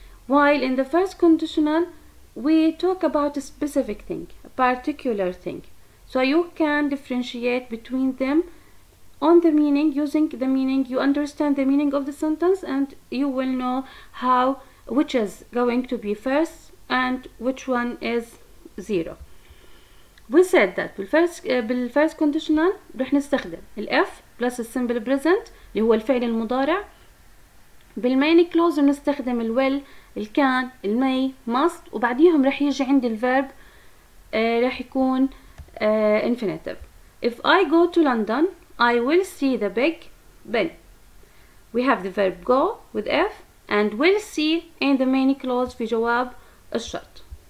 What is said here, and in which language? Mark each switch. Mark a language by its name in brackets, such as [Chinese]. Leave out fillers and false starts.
[English] While in the first conditional, we talk about a specific thing, a particular thing. So you can differentiate between them on the meaning, using the meaning, you understand the meaning of the sentence, and you will know how, which is going to be first and which one is zero. We said that [Arabic] بالفيرست كونديشنال رح نستخدم الاف بلس السمبل بريزنت اللي هو الفعل المضارع. بالمين كلوز بنستخدم الويل الكان المي ماست وبعديهم رح يجي عند الفيرب رح يكون انفينيتيف. [English] If I go to London, I will see the big Ben. We have the verb go with f and will see in the main clause [Arabic] في جواب الشرط.